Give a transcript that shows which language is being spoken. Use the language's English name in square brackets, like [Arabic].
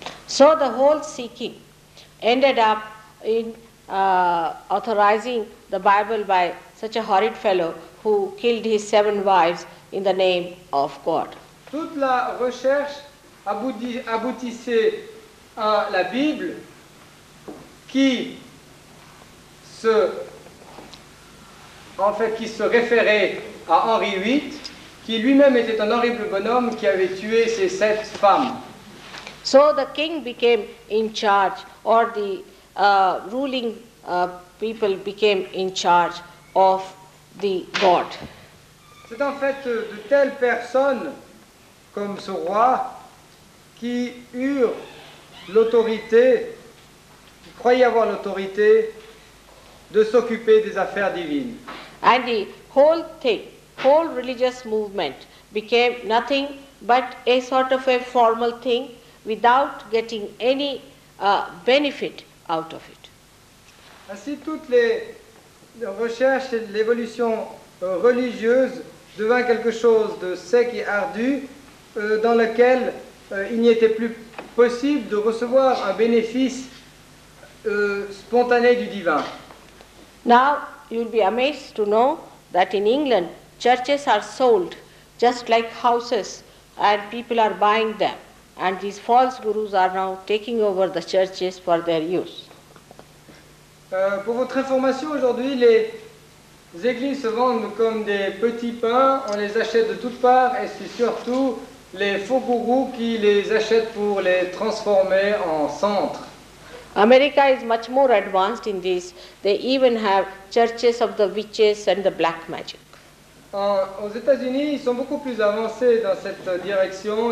[English] So the whole seeking ended up in authorizing the Bible by such a horrid fellow who killed his 7 wives in the name of God. [French] Toute la recherche aboutissait à la Bible qui se référait à Henri VIII, qui lui-même était un horrible bonhomme qui avait tué ses 7 femmes. [English] So the king became in charge, or the ruling people became in charge of the God. [French] C'est en fait de telles personnes comme ce roi qui eurent l'autorité, qui croyaient avoir l'autorité de s'occuper des affaires divines. [English] And the whole thing, whole religious movement became nothing but a sort of a formal thing without getting any benefit out of it. [French] Ainsi, toutes les recherches et l'évolution religieuse devint quelque chose de sec et ardu dans lequel il n'y était plus possible de recevoir un bénéfice spontané du divin. [English] Now, you'll be amazed to know that in England, churches are sold just like houses, and people are buying them. And these false gurus are now taking over the churches for their use. [French] Pour votre information, aujourd'hui, les églises se vendent comme des petits pains, on les achète de toutes parts, et c'est surtout les faux gourous qui les achètent pour les transformer en centres. [English] America is much more advanced in this. They even have churches of the witches and the black magic. [French] Aux États-Unis, ils sont beaucoup plus avancés dans cette direction.